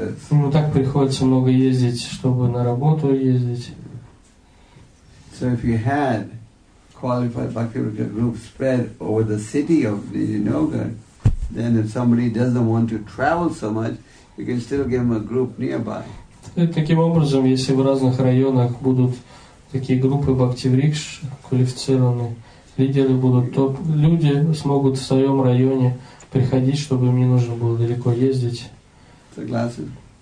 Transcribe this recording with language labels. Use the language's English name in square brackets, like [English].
[Russian] Ну так приходится много ездить, чтобы на работу ездить. [English] So if you had qualified Bhakti Vriksha group spread over the city of Nizhny Novgorod, then if somebody doesn't want to travel so much, you can still give them a group nearby. [Russian] И таким образом, если в разных районах будут такие группы Бхакти Врикш квалифицированные, лидеры будут, то люди смогут в своем районе приходить, чтобы им не нужно было далеко ездить. Согласен.